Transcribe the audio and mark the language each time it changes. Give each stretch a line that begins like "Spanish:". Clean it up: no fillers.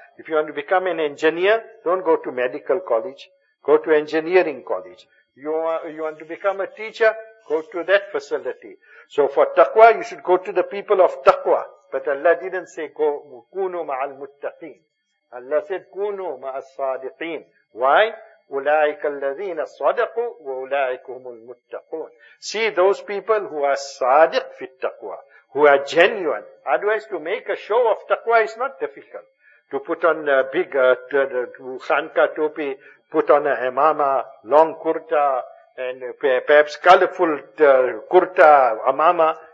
English: If you want to become an engineer, don't go to medical college. Go to engineering college. You want to become a teacher, go to that facility. So for taqwa, you should go to the people of taqwa. But Allah didn't say,
Arabic: كُونُوا مَعَ الْمُتَّقِينَ.
English: Allah said,
Arabic: كُونُوا مَعَ الصَّادِقِينَ.
English: Why?
Arabic: أُولَٰئِكَ الَّذِينَ صَدَقُوا وَأُولَٰئِكُمُ الْمُتَّقُونَ.
English: See those people who are sadiq fit taqwa, who are genuine. Otherwise, to make a show of taqwa is not difficult. To put on a big khanka topi, put on a imama, long kurta, and perhaps colorful kurta, imama.